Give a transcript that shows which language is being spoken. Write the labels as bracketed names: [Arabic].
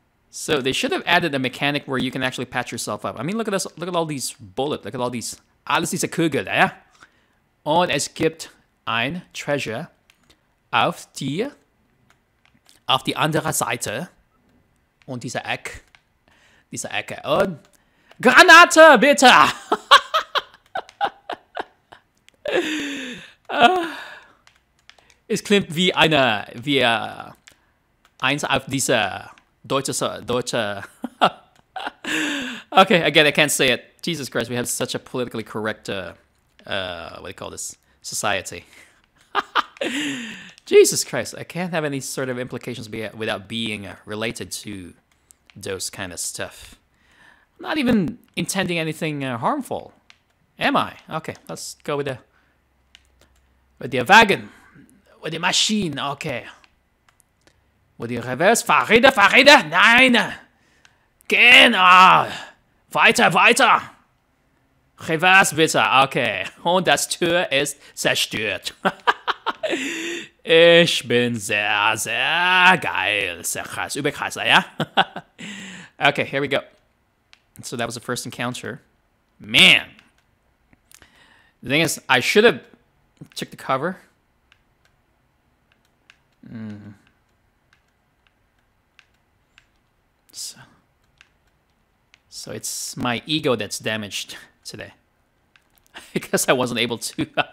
[English] So they should have added a mechanic where you can actually patch yourself up. I mean, look at this. Look at all these bullets. Look at all these. Alles diese Kugel, eh? [German] Und es gibt ein Treasure auf die andere Seite. Und dieser Eck. Dieser Ecke. Und Granate, bitte! Es klingt wie eine, wie eins auf dieser deutsche. [English] Okay, again, I can't say it. Jesus Christ, we have such a politically correct, what do you call this? Society. Jesus Christ, I can't have any sort of implications without being related to those kind of stuff. I'm not even intending anything harmful, am I? Okay, let's go with the wagon. With the machine, okay. With the reverse, Fahrräder, Fahrräder, nein! [German] Gehen, weiter, weiter! Reverse, bitte, okay. Und das Tür ist zerstört. Ich bin sehr, sehr geil, sehr krass, überkrasser, ja? [English] Okay, here we go. So that was the first encounter. Man! The thing is, I should have took the cover. So it's my ego that's damaged today. Because I wasn't able to.